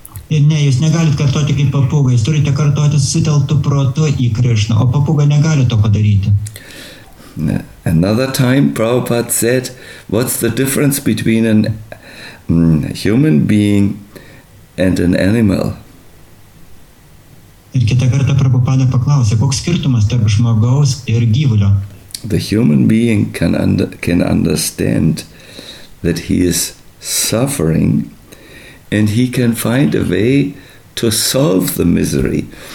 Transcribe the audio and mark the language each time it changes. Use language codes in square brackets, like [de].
[lt] Ir ne, jūs negalit kartoti kaip papūga. Jūs turite kartoti susitelktu protu į Krishna, o papūga negali to padaryti. [en] Another time Prabhupada said, what's the difference between an human being and an animal? [lt] Ir kitą kartą Prabhupada paklausė, koks skirtumas tarp žmogaus ir gyvulio? [en] The human being can understand that he is suffering and he can find a way to solve the misery.